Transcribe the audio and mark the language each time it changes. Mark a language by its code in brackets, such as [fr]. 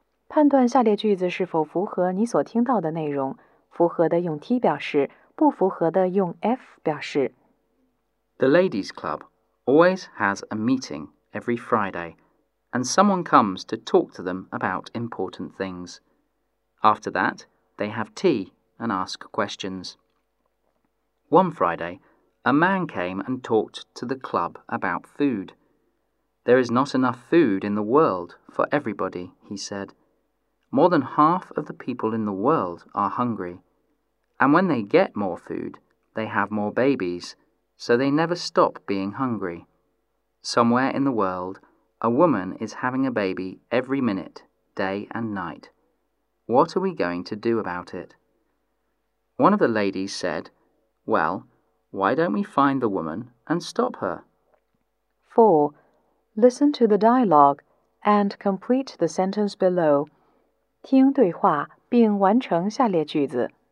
[zh] 判断下列句子是否符合你所听到的内容。符合的用 T 表示，不符合的用 F 表示。 [en] The ladies' club always has a meeting every Friday, and someone comes to talk to them about important things. After that, they have tea. And ask questions. One Friday, a man came and talked to the club about food. There is not enough food in the world for everybody, he said. More than half of the people in the world are hungry. And when they get more food, they have more babies, so they never stop being hungry. Somewhere in the world, a woman is having a baby every minute, day and night. What are we going to do about it? One of the ladies said, well, why don't we find the woman and stop her? 4. Listen to the dialogue and complete the sentence below. [zh] 听对话并完成下列句子。